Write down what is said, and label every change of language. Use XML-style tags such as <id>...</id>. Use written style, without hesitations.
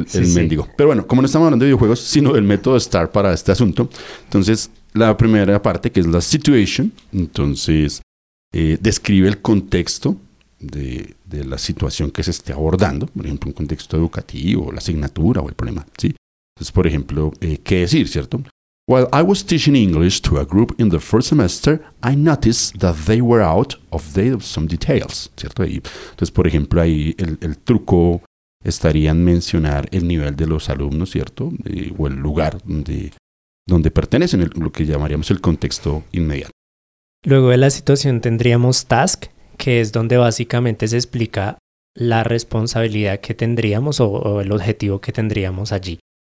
<es>El mendigo. Pero bueno, como no estamos hablando de videojuegos, sino del método Star para este asunto, entonces la primera parte, que es la situation. Entonces, describe el contexto de la situación que se esté abordando. Por ejemplo, un contexto educativo, la asignatura o el problema, ¿sí? Entonces, por ejemplo, ¿qué decir, cierto?</es> <en>While I was teaching English to a group in the first semester, I noticed that they were out of date of some details,</en> <es>¿cierto? Y entonces, por ejemplo, ahí el truco estaría en mencionar el nivel de los alumnos, ¿cierto? O el lugar donde pertenecen, lo que llamaríamos el contexto inmediato. Luego de la situación tendríamos task, que es donde básicamente se explica la responsabilidad que tendríamos o el objetivo que tendríamos allí.</es>